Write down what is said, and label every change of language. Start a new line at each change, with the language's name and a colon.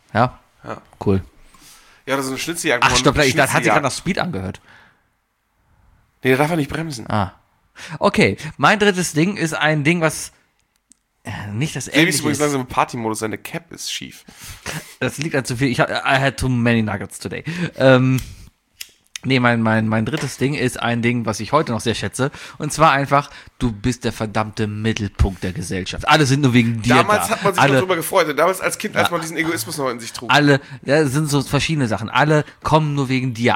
German: Ja? Ja. Cool. Ja, das ist eine Schnitzeljagd. Ach, stopp, ich dachte, hat sich gerade nach Speed angehört. Nee, da darf er nicht bremsen. Ah. Okay, mein drittes Ding ist ein Ding, was Nicht das Ähnliche. Übrigens langsam im Partymodus, seine Cap ist schief. Das liegt an zu viel.
English: I had too many nuggets today.
German: Mein drittes Ding ist ein Ding, was ich heute noch sehr schätze. Und zwar einfach, du bist der verdammte Mittelpunkt der Gesellschaft. Alle sind nur wegen dir damals da. Damals hat man sich alle, noch drüber gefreut. Damals als Kind, als man diesen Egoismus noch in sich trug. Alle, das sind so verschiedene Sachen. Alle kommen nur wegen dir.